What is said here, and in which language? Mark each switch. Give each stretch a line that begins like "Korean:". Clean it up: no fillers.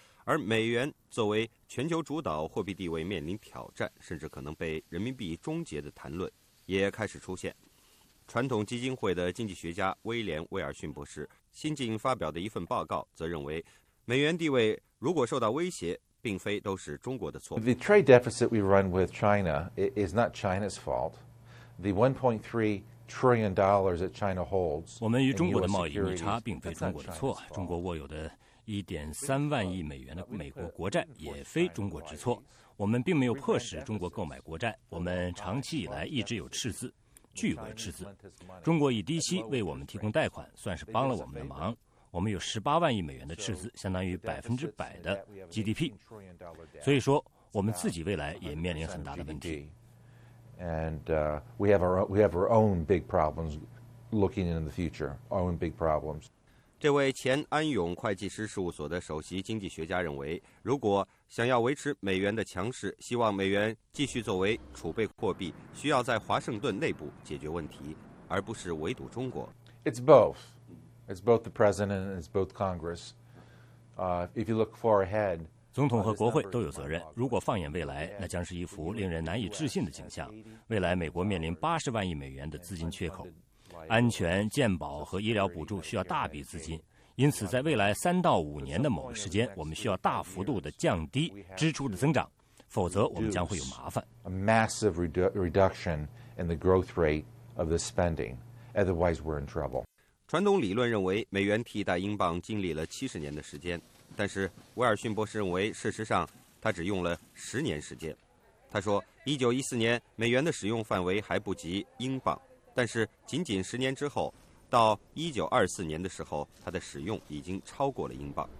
Chinese: 而美元作为全球主导货币地位面临挑战，甚至可能被人民币终结的谈论也开始出现。传统基金会的经济学家威廉·威尔逊博士新近发表的一份报告则认为，美元地位如果受到威胁，并非都是中国的错。
English: The trade deficit we run with China is not China's fault. The 1.3 trillion dollars that China holds.
Chinese: 我们与中国的贸易逆差并非中国的错，中国握有的1.3万亿美元的美国国债也非中国之错。我们并没有迫使中国购买国债，我们长期以来一直有赤字，巨额赤字。中国以低息为我们提供贷款，算是帮了我们的忙。我们有18万亿美元的赤字，相当于100%的 GDP。所以说，我们自己未来也面临很大的问题。
English: And we have our own big problems looking into the future. Our own big problems.
Chinese: 这位前安永会计师事务所的首席经济学家认为，如果想要维持美元的强势，希望美元继续作为储备货币，需要在华盛顿内部解决问题，而不是围堵中国。
English: It's both. It's both the president and it's both Congress. If you look far ahead,
Chinese: 总统和国会都有责任。如果放眼未来，那将是一幅令人难以置信的景象。未来美国面临80万亿美元的资金缺口。安全、健保和医疗补助需要大笔资金，因此在未来3到5年的某个时间，我们需要大幅度的降低支出的增长，否则我们将会有麻烦。
English: A massive reduction in the growth rate of the spending. Otherwise, we're in trouble.
Chinese: 传统理论认为美元替代英镑经历了70年的时间，但是威尔逊博士认为事实上他只用了10年时间。他说1914年美元的使用范围还不及英镑，但是仅仅10年之后，到1924年的时候，它的使用已经超过了英镑。